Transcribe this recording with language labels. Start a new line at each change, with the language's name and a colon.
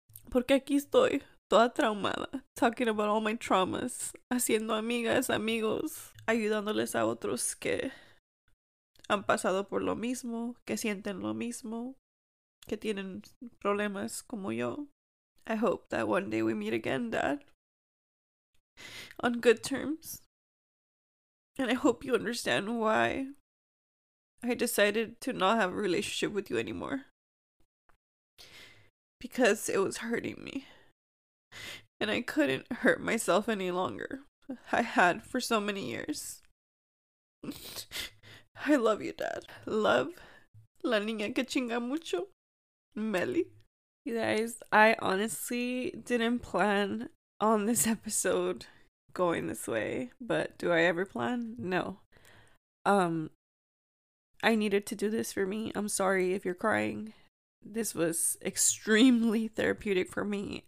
Spanish: Porque aquí estoy, toda traumada,
English: talking about all my traumas,
Spanish: haciendo amigas, amigos, ayudándoles a otros que han pasado por lo mismo, que sienten lo mismo, que tienen problemas como yo.
English: I hope that one day we meet again, Dad. On good terms. And I hope you understand why I decided to not have a relationship with you anymore. Because it was hurting me. And I couldn't hurt myself any longer. I had for so many years. I love you, Dad. Love.
Spanish: La niña que chinga mucho. Meli.
English: You guys, I honestly didn't plan on this episode going this way. But do I ever plan? No. I needed to do this for me. I'm sorry if you're crying. This was extremely therapeutic for me.